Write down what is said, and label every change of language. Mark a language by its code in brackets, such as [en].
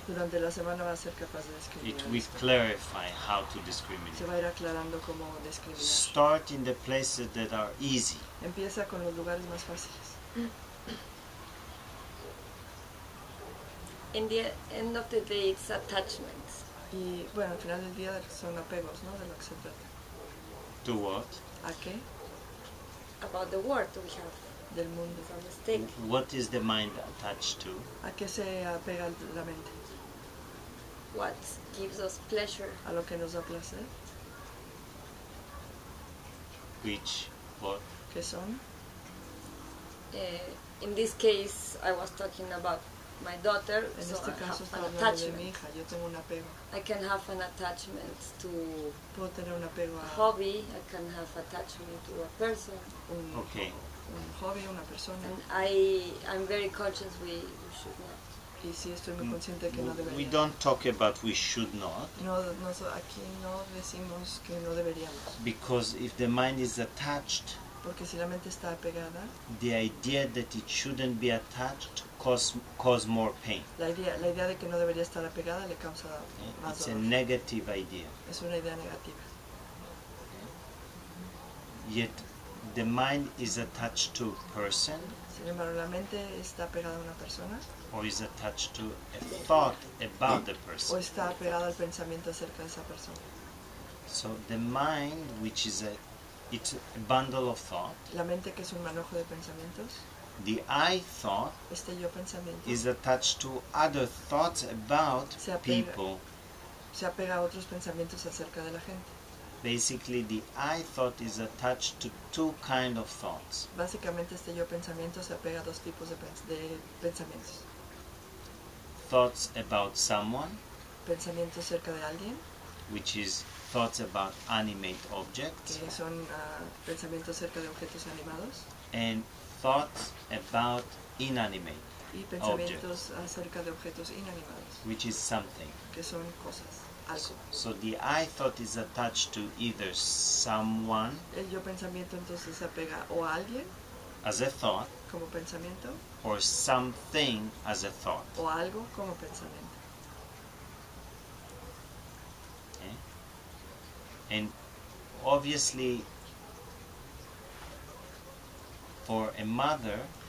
[es] Durante la semana va a ser capaz de discriminar. [en] It will clarify how to discriminate. [es] Se va a ir aclarando cómo discriminar. [en] Start in the places that are easy. [es] Empieza con los lugares más fáciles. [en] In the end of the day, it's attachments. [es] Y bueno, al final del día son apegos, ¿no? De lo que se trata. [en] To what? [es] ¿A qué? [en] About the world we have. [es] Del mundo. [en] What is the mind attached to? [es] ¿A qué se apega la mente? [en] What gives us pleasure? [es] ¿A lo que nos da placer? [en] Which, what? [es] ¿Qué son? [en] In this case, I was talking about my daughter. [es] En [en] so [es] este [en] I [es] caso estaba hablando de mi hija. Yo tengo un apego. [en] I can have an attachment to. [es] Puedo tener un apego a. [en] Hobby. I can have attachment to a person. Okay. [es] Un hobby, una persona. [en] And I'm very conscious we should not. [es] Y si estoy muy consciente que no debería. [en] We don't talk about we should not. [es] No, aquí no decimos que no deberíamos. [en] Because if the mind is attached. [es] Porque si la mente está apegada. [en] The idea that it shouldn't be attached cause more pain. [es] La idea de que no debería estar apegada le causa más dolor. [en] It's a negative idea. [es] Es una idea negativa. [en] Yet. The mind is attached to a person. [es] Sin embargo, la mente está pegada a una persona. [en] Or is attached to a thought about the person. [es] O está pegada al pensamiento acerca de esa persona. [en] So the mind, which is it's a bundle of thought. [es] La mente que es un manojo de pensamientos. [en] The I thought. [es] Este yo pensamiento. [en] Is attached to other thoughts about people. [es] Se apega a otros pensamientos acerca de la gente. [en] Basically, the I thought is attached to two kinds of thoughts. [es] Básicamente, este yo pensamiento se apega a dos tipos de pensamientos. [en] Thoughts about someone. [es] Pensamientos acerca de alguien. [en] Which is thoughts about animate objects. [es] Que son pensamientos acerca de objetos animados. [en] And thoughts about inanimate. [es] Y pensamientos acerca de objetos inanimados. [en] Which is something. [es] Que son cosas. [en] So the I thought is attached to either someone. [es] El yo pensamiento entonces se apega o a alguien. [en] As a thought. [es] Como pensamiento. [en] Or something as a thought. [es] O algo como pensamiento. [en] Okay. And obviously, for a mother.